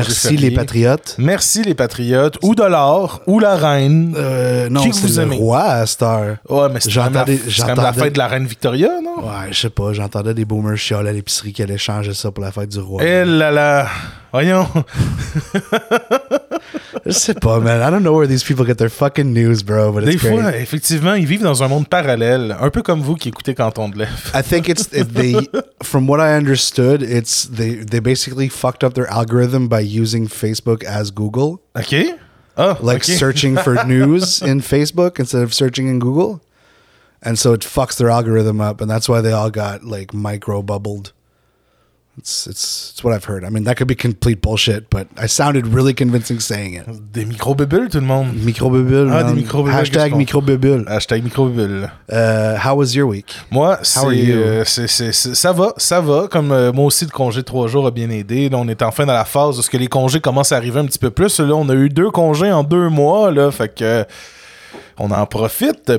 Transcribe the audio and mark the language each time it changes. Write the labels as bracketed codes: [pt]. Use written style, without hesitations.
[fr] Merci les patriotes. Merci les patriotes. Ou de l'or, ou la reine. Non, qui c'est vous le aimez? Roi à cette heure. Ouais, mais c'est la fête de la reine Victoria, non? Ouais, je sais pas. J'entendais des boomers chialer à l'épicerie qui allaient changer ça pour la fête du roi. Eh là là! Voyons! Je sais pas, man. [en] I don't know where these people get their fucking news, bro. But it's [fr] des [en] great. [fr] Fois, effectivement, ils vivent dans un monde parallèle, un peu comme vous qui écoutez Canton de Lef. [en] I think it's they. From what I understood, it's they basically fucked up their algorithm by using Facebook as Google. Okay. Oh. Like okay. Searching for news in Facebook instead of searching in Google, and so it fucks their algorithm up, and that's why they all got like micro bubbled. It's what I've heard. I mean, that could be complete bullshit, but I sounded really convincing saying it. [fr] Des micro-bubules, tout le monde. Micro-bubules. Ah, des micro-bubules. Hashtag micro-bubules. Hashtag micro-bubules. [en] How was your week? [fr] Moi, ça va. Comme moi aussi, le congé de 3 jours a bien aidé. Là, on est enfin dans la phase où les congés commencent à arriver un petit peu plus. Là, on a eu 2 congés en 2 mois, là, fait que... On en profite.